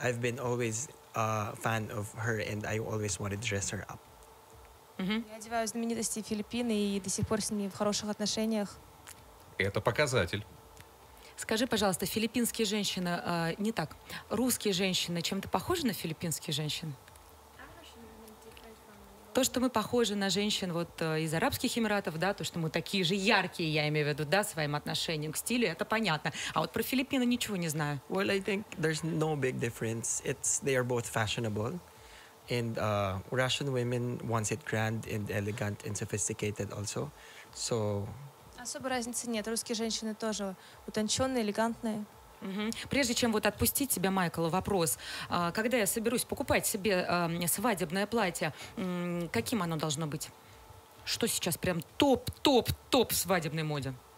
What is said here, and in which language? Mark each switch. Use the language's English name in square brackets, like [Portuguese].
[English] I've been always a fan of her, and I always wanted to dress her up. [Russian] Я одеваю знаменитости Филиппины и до сих пор с ними в хороших отношениях. Это показатель. Скажи, пожалуйста, филиппинские женщины, не так, русские женщины чем-то похожи на филиппинские женщины? То, что мы похожи на женщин вот из Арабских Эмиратов, да, то, что мы такие же яркие, я имею в виду, да, своим отношением к стилю, это понятно. А вот про Филиппины ничего не знаю. [English] Well, I think there's no big difference. It's, they are both fashionable. And Russian women want it grand and elegant and sophisticated also. So... [Russian] Особой разницы нет. Русские женщины тоже утонченные, элегантные. Прежде чем вот отпустить тебя, Майкл, вопрос. Когда я соберусь покупать себе свадебное платье, каким оно должно быть? Что сейчас прям топ-топ-топ в свадебной моде?